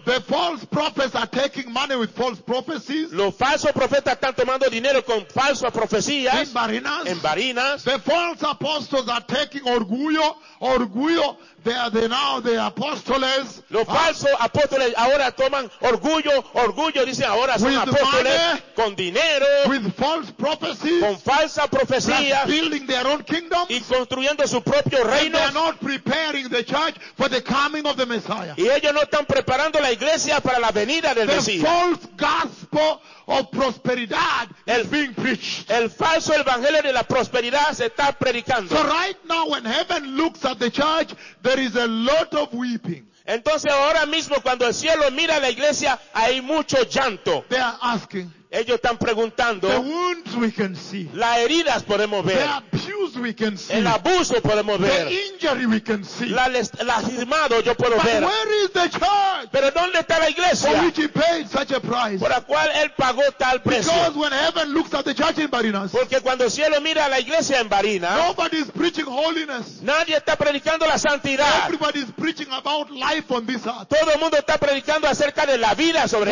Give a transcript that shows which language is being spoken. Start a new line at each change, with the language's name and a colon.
English: The false prophets are taking money with false prophecy.
Spanish: Los falsos profetas están tomando dinero con falsas profecías en Barinas.
English: The false apostles are taking orgullo. They are now the apostles.
Spanish: Los falsos apóstoles ahora toman orgullo, dicen ahora son apóstoles
English: money,
Spanish: con dinero,
English: with false prophecies,
Spanish: con falsas profecías,
English: building their own kingdoms,
Spanish: y construyendo su propio reino.
English: They are not preparing the church for the coming of the Messiah.
Spanish: Y ellos no están preparando la iglesia para la venida del Mesías.
English: The false gospel of prosperity is being preached.
Spanish: El falso evangelio de la prosperidad se está predicando.
English: So right now when heaven looks at the church, there is a lot of weeping.
Spanish: Entonces ahora mismo cuando el cielo mira a la iglesia, hay mucho llanto.
English: They are asking.
Spanish: Ellos están preguntando.
English: The wounds we can see.
Spanish: Las heridas podemos ver.
English: The abuse we can see.
Spanish: El abuso podemos ver.
English: The injury we can see.
Spanish: Lastimado yo puedo
English: But
Spanish: ver.
English: But where is the church?
Spanish: Pero ¿dónde está la iglesia?
English: For which he paid such a price.
Spanish: Por la cual él pagó tal precio.
English: Because when heaven looks at the church in Barinas.
Spanish: Porque cuando el cielo mira a la iglesia en Barinas.
English: Nobody is preaching holiness.
Spanish: Nadie está predicando la santidad.
English: Everybody is preaching about life on this earth.
Spanish: Todo el mundo está predicando acerca de la vida sobre